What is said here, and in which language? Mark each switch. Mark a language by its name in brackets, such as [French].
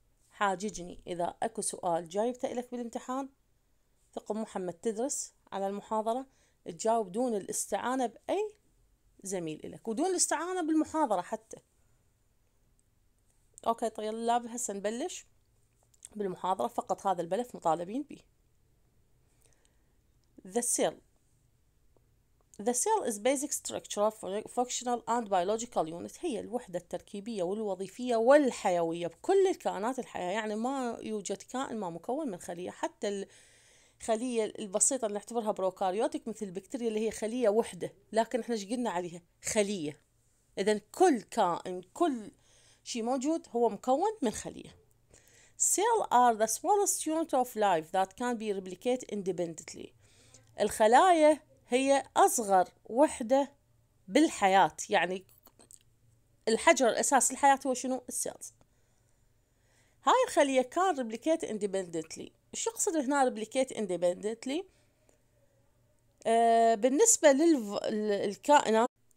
[Arabic] حاججني إذا أكو سؤال جايبته إليك بالامتحان، ثق محمد تدرس على المحاضرة، تجاوب دون الاستعانة بأي زميل إليك، ودون الاستعانة بالمحاضرة حتى. أوكي طيب، هسا نبلش بالمحاضرة، فقط هذا البلف مطالبين به. [English] The cell is basic structural, functional and biological unit. [Arabic] هي الوحدة التركيبية والوظيفية والحيوية بكل الكائنات الحية، يعني ما يوجد كائن ما مكون من خلية، حتى الخلية البسيطة اللي نعتبرها بروكاريوتيك مثل البكتيريا اللي هي خلية وحدة، لكن احنا شقلنا عليها خلية، اذا كل كائن كل شيء موجود هو مكون من خلية. [English] Cell are the smallest unit of life that can be replicated independently. [Arabic] الخلايا هي أصغر وحدة بالحياة، يعني الحجر الأساس الحياة هو شنو؟ السيلز. هاي الخلية [English] كان replicate independently, [Arabic] شو قصد هنا [English] Replicate independently? [Arabic] بالنسبة للكائنات